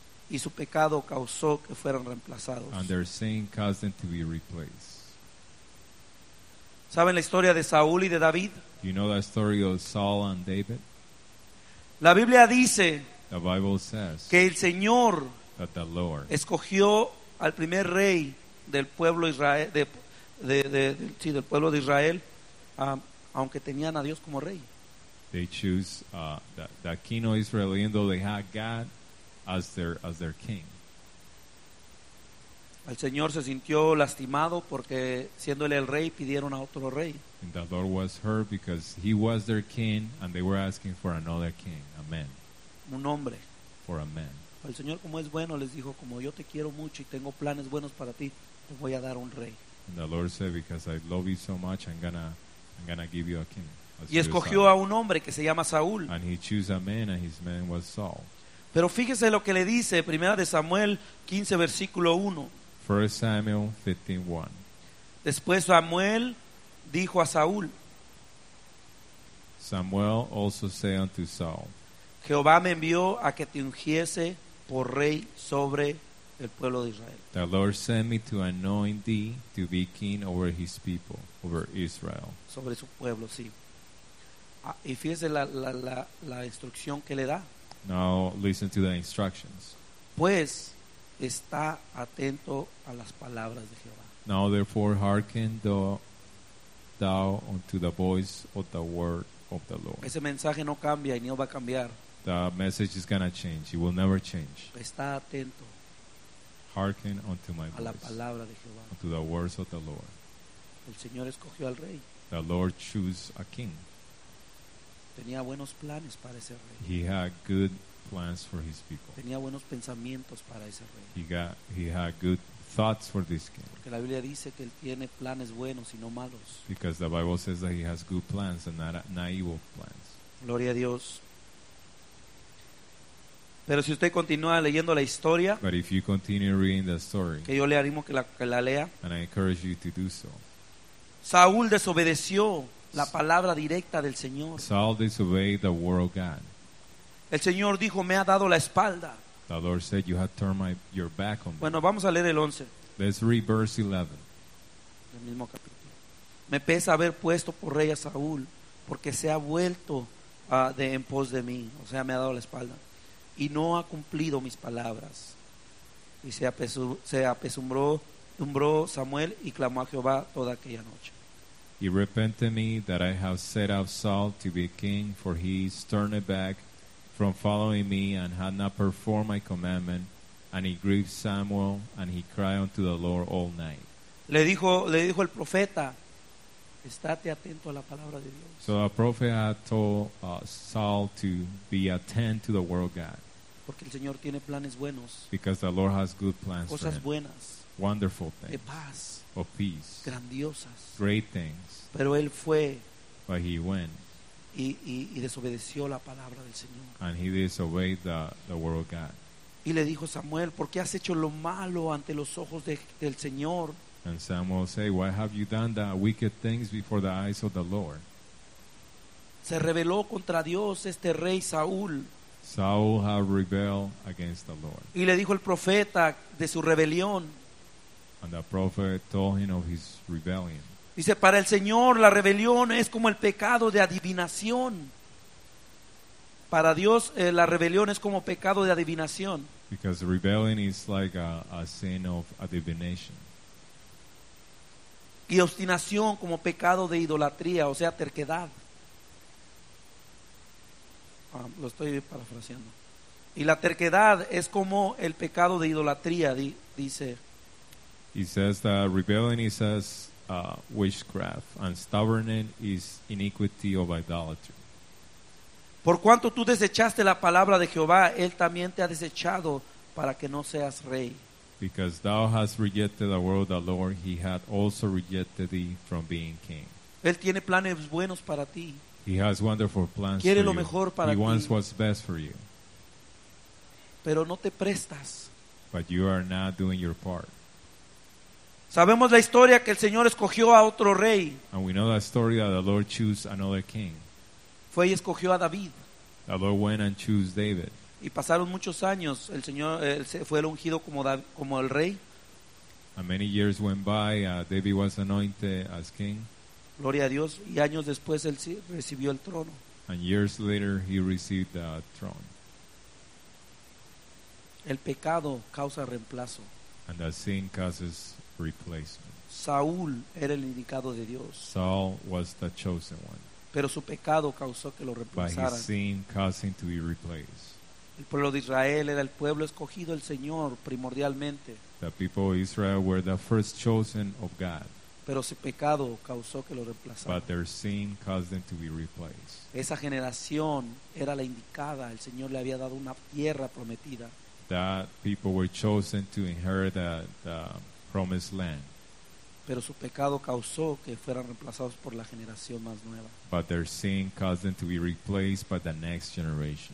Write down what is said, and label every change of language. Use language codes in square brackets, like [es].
[es] Y su pecado causó que fueran reemplazados. [en] And their sin caused them to be replaced. [es] ¿Saben la historia de Saúl y de David? [en] You know that story of Saul and David? [es] La Biblia dice, [en] the Bible says, [es] que el Señor, [en] that the Lord, [es] escogió al primer rey del pueblo Israel, sí, del pueblo de Israel, aunque tenían a Dios como rey. [en] They choose the king of Israel, even though they had God as their king. [es] El Señor se sintió lastimado porque siendo él el rey pidieron a otro rey. [en] And the Lord was hurt because he was their king and they were asking for another king. Amen. [es] Un hombre. [en] For a man. [es] El Señor como es bueno les dijo, como yo te quiero mucho y tengo planes buenos para ti, te voy a dar un rey. [en] And the Lord said, because I love you so much, I'm gonna give you a king. [es] Y escogió a un hombre que se llama Saúl. [en] And he chose a man and his man was Saul. [es] Pero fíjese lo que le dice, Primera de Samuel 15 versículo 1. [en] 1 Samuel 15:1. [es] Después Samuel dijo a Saúl. [en] Samuel also said unto Saul. [es] Jehová me envió a que te ungiese por rey sobre el pueblo de Israel. [en] The Lord sent me to anoint thee to be king over his people, over Israel. [es] Sobre su pueblo, sí. Y fíjese la instrucción que le da. [en] Now listen to the instructions. [es] Pues está atento a las palabras de Jehová. [en] Now therefore hearken thou unto the voice of the word of the Lord. [es] Ese mensaje no cambia y no va a cambiar. [en] The message is going to change. It will never change. [es] Está atento. [en] Hearken unto my voice. [es] A la palabra de Jehová. [en] Unto the words of the Lord. [es] El Señor escogió al rey. [en] The Lord chose a king. [es] Tenía buenos planes para ese rey. [en] He had good plans for his people. [es] Tenía buenos pensamientos para ese rey. [en] He had good thoughts for this king. [es] Porque la Biblia dice que él tiene planes buenos y no malos. [en] Because the Bible says that he has good plans and not evil plans. [es] Gloria a Dios. Pero si usted continúa leyendo la historia, [en] but if you continue reading the story, [es] que yo le animo que la lea, [en] and I encourage you to do so. [es] Saúl desobedeció la palabra directa del Señor. [en] Saul disobeyed the word of God. [es] El Señor dijo, me ha dado la espalda. [en] The Lord said, you have turned your back on me. [es] Bueno, vamos a leer el 11. [en] Let's read verse 11. [es] El mismo capítulo. Me pesa haber puesto por rey a Saúl, porque se ha vuelto de en pos de mí. O sea, me ha dado la espalda. Y no ha cumplido mis palabras. Y se apesumbró Samuel y clamó a Jehová toda aquella noche. [en] He repented me that I have set out Saul to be king, for he is turned back from following me and had not performed my commandment. And he grieved Samuel, and he cried unto the Lord all night. [es] Le dijo el profeta, estate atento a la palabra de Dios. [en] So the prophet had told Saul to be attentive to the word of God. [es] Porque el Señor tiene planes buenos. [en] Because the Lord has good plans. [es] Cosas buenas. [en] Wonderful things. [es] De paz. [en] Of peace. [es] Grandiosas. [en] Great things. [es] Pero él fue. [en] But he went. [es] Y desobedeció la palabra del Señor. [en] And he disobeyed the word of God. [es] Y le dijo Samuel, ¿por qué has hecho lo malo ante los ojos del Señor? [en] And Samuel said, why have you done the wicked things before the eyes of the Lord? [es] Se rebeló contra Dios este rey Saúl. [en] Saul had rebelled against the Lord. [es] Y le dijo el profeta de su rebelión. [en] And the prophet told him of his rebellion. [es] Dice, para el Señor la rebelión es como el pecado de adivinación. Para Dios la rebelión es como pecado de adivinación. [en] Because rebellion is like a sin of adivination. [es] Y obstinación como pecado de idolatría, o sea, terquedad. Lo estoy parafraseando. Y la terquedad es como el pecado de idolatría, dice. [en] He says that rebellion is as witchcraft, and stubbornness is iniquity of idolatry. [es] Por cuanto tú desechaste la palabra de Jehová, él también te ha desechado para que no seas rey. [en] Because thou hast rejected the word of the Lord, he hath also rejected thee from being king. [es] Él tiene planes buenos para ti. [en] He has wonderful plans [es] Quiere [en] for [es] lo [en] you. [es] Mejor para [en] he [es] ti. [en] Wants what's best for you. [es] Pero no te prestas. [en] But you are not doing your part. [es] Sabemos la historia que el Señor escogió a otro rey. [en] And we know the story that the Lord chose another king. [es] Fue y escogió a David. [en] The Lord went and chose David. [es] Y pasaron muchos años, el Señor fue el ungido como el rey. [en] And many years went by, David was anointed as king. [es] Gloria a Dios, y años después él recibió el trono. [en] And years later he received the throne. [es] El pecado causa reemplazo. [en] And the sin causes replacement. [es] Saúl era el indicado de Dios. [en] Saul was the chosen one. [es] Pero su pecado causó que lo reemplazaran. [en] But his sin caused him to be replaced. [es] El pueblo de Israel era el pueblo escogido del Señor primordialmente. [en] The people of Israel were the first chosen of God. [es] Pero su pecado causó que lo reemplazaran. [en] But their sin caused them to be replaced. [es] Esa generación era la indicada. El Señor le había dado una tierra prometida. [en] That people were chosen to inherit the promised land. [es] Pero su pecado causó que fueran reemplazados por la generación más nueva. [en] But their sin caused them to be replaced by the next generation.